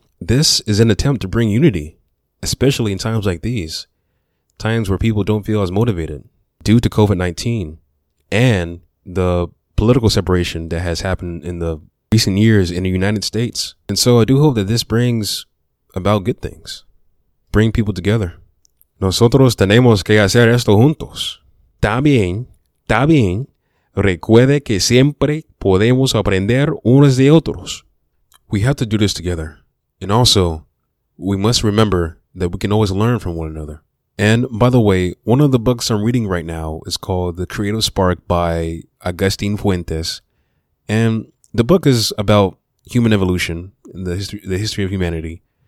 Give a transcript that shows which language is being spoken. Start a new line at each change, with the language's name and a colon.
English: This is an attempt to bring unity, especially in times like these, times where people don't feel as motivated due to COVID-19 and the political separation that has happened in the recent years in the United States. And so I do hope that this brings about good things, bring people together.
Spanish: Nosotros tenemos que hacer esto juntos. Está bien, recuerde que siempre podemos aprender unos de otros.
English: We have to do this together. And also, we must remember that we can always learn from one another. And by the way, one of the books I'm reading right now is called The Creative Spark by Agustin Fuentes. And the book is about human evolution, the history of humanity.